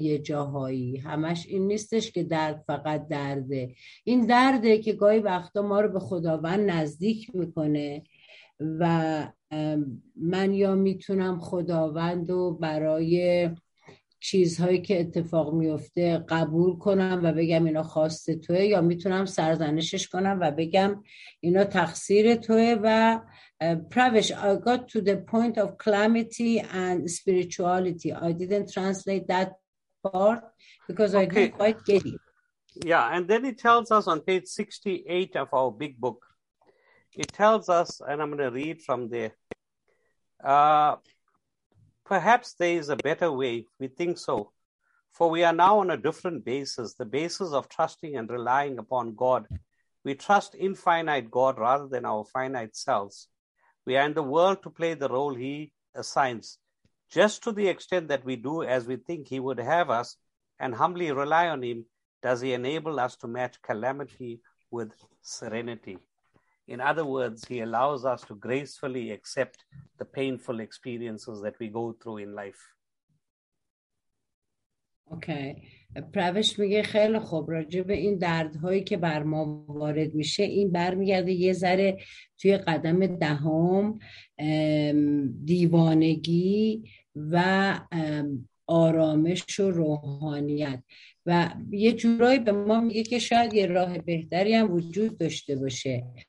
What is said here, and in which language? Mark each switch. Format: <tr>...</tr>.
<fa>یه جاهایی همش این نیستش که درد فقط درده، این درده که گاهی وقتا ما رو به خداوند نزدیک میکنه و من یا میتونم خداوند رو برای چیزهایی که اتفاق میفته قبول کنم و بگم اینا خواست توه، یا میتونم سرزنشش کنم و بگم اینا تقصیر توه.</fa> <en>و پروش، I got to the point of calamity and spirituality. I didn't translate that part because okay. I didn't quite get it. Yeah, and then it tells us on page 68 of our big book, it tells us, and I'm going to read from there, perhaps there is a better way, we think so, for we are now on a different basis, the basis of trusting and relying upon God. We trust infinite God rather than our finite selves. We are in the world to play the role he assigns, just to the extent that we do as we think he would have us and humbly rely on him. Does he enable us to match calamity with serenity? In other words, he allows us to gracefully accept the painful experiences that we go through in life. Okay.</en> <fa>پروش میگه خیلی خوب، راجع به این دردهایی که بر ما وارد میشه، این برمیگرده یه ذره توی قدم دهم، دیوانگی و آرامش و روحانیت، و یه جورایی به ما میگه که شاید یه راه بهتری هم وجود داشته باشه.</fa>